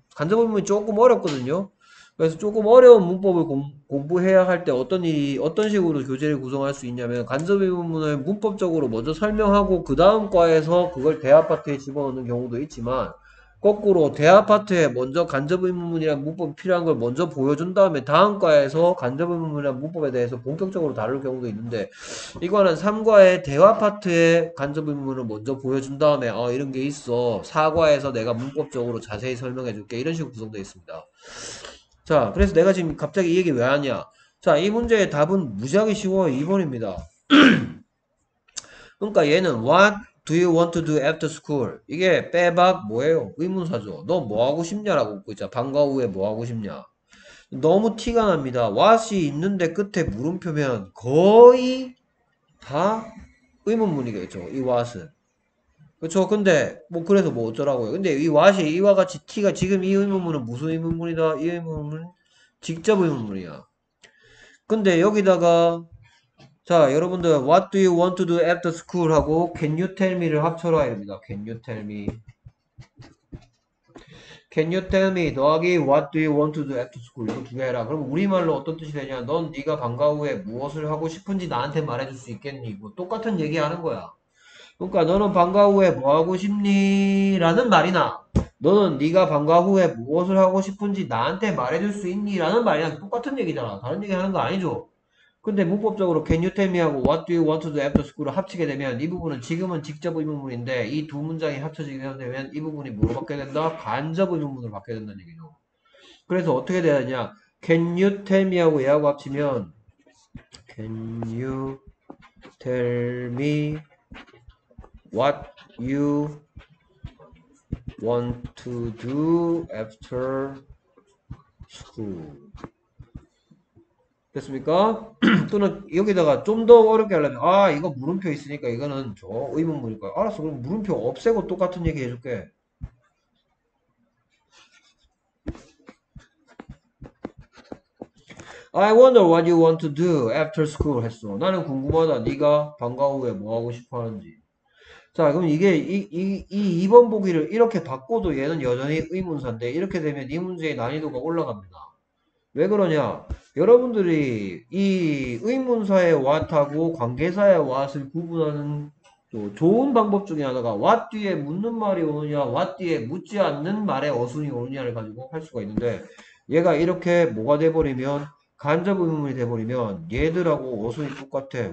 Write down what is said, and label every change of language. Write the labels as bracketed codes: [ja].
[ko] 간접 의문문이 조금 어렵거든요. 그래서 조금 어려운 문법을 공부해야 할때 어떤 식으로 교재를 구성할 수 있냐면 간접 의문문을 문법적으로 먼저 설명하고 그 다음 과에서 그걸 대화 파트에 집어넣는 경우도 있지만 거꾸로 대화 파트에 먼저 간접 의문문이랑 문법이 필요한 걸 먼저 보여준 다음에 다음 과에서 간접 의문문이랑 문법에 대해서 본격적으로 다룰 경우도 있는데 이거는 3과의 대화 파트에 간접 의문문을 먼저 보여준 다음에 이런 게 있어. 4과에서 내가 문법적으로 자세히 설명해 줄게. 이런 식으로 구성되어 있습니다. 자, 그래서 내가 지금 갑자기 이 얘기 왜 하냐? 자, 이 문제의 답은 무지하게 쉬워. 2번입니다. 그러니까 얘는 [en] what do you want to do after school? [ko] 이게 빼박 뭐예요? 의문사죠. 너뭐 하고 싶냐라고 묻고 있자. 방과 후에 뭐 하고 싶냐? 너무 티가 납니다. What이 있는데 끝에 물음표면 거의 다 의문문이겠죠. 이 What은. 그렇죠. 근데 뭐 그래서 뭐 어쩌라고요? 근데 이 What이 이와 같이 티가 지금 이 의문문은 무슨 의문문이다? 이 의문문은 직접 의문문이야. 근데 여기다가 자, 여러분들, [en] what do you want to do after school? 하고, can you tell me를 합쳐라. [ko] 이릅니다. [en] Can you tell me? Can you tell me [ko] 더하기 [en] what do you want to do after school? [ko] 이거 두개 해라. 그럼 우리말로 어떤 뜻이 되냐? 넌 네가 방과 후에 무엇을 하고 싶은지 나한테 말해줄 수 있겠니? 뭐 똑같은 얘기하는 거야. 그러니까 너는 방과 후에 뭐 하고 싶니? 라는 말이나, 너는 네가 방과 후에 무엇을 하고 싶은지 나한테 말해줄 수 있니? 라는 말이나 똑같은 얘기잖아. 다른 얘기하는 거 아니죠? 근데 문법적으로 [en] can you tell me [ko] 하고 [en] what do you want to do after school을 [ko] 합치게 되면 이 부분은 지금은 직접 의문문인데 이두 문장이 합쳐지게 되면 이 부분이 뭐로 바뀌게 된다? 간접 의문문으로 바뀌게 된다는 얘기죠. 그래서 어떻게 돼야 되냐? [en] can you tell me [ko] 하고 얘하고 합치면 [en] can you tell me what you want to do after school? [ko] 됐습니까? 또는 여기다가 좀더 어렵게 하려면 아 이거 물음표 있으니까 이거는 저 의문문일까요? 알았어 그럼 물음표 없애고 똑같은 얘기 해줄게. [en] I wonder what you want to do after school [ko] 했어. 나는 궁금하다. 네가 방과 후에 뭐 하고 싶어 하는지. 자, 그럼 이게 이 2번 보기를 이렇게 바꿔도 얘는 여전히 의문사인데 이렇게 되면 이 문제의 난이도가 올라갑니다. 왜 그러냐? 여러분들이 이 의문사의 what하고 관계사의 what을 구분하는 또 좋은 방법 중에 하나가 what 뒤에 묻는 말이 오느냐, what 뒤에 묻지 않는 말의 어순이 오느냐를 가지고 할 수가 있는데 얘가 이렇게 뭐가 돼버리면 간접 의문이 돼버리면 얘들하고 어순이 똑같아.